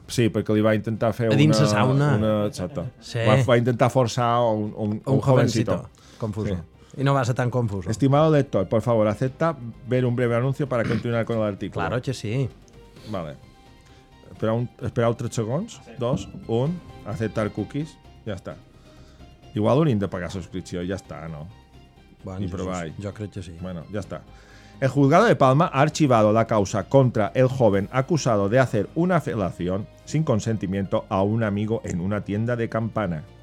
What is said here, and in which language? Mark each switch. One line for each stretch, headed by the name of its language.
Catalan: Sí, perquè li va intentar fer una chata. Sí. Va intentar forçar un jovencito.
Spanish: Confuso. Sí. Y no va a ser tan confuso. Estimado lector, por favor, acepta ver un breve anuncio para continuar con el artículo. Claro que sí.
Catalan: Vale. Esperau 3 segons, 2, 1, acceptar cookies, ja està. Igual hauríem de pagar subscripció, ja està, no? Bueno, provai. Jo crec que sí. Bueno, ja està.
Spanish: El juzgado de Palma ha archivado la causa contra el joven acusado de hacer una felación sin consentimiento a un amigo en una tienda de campana.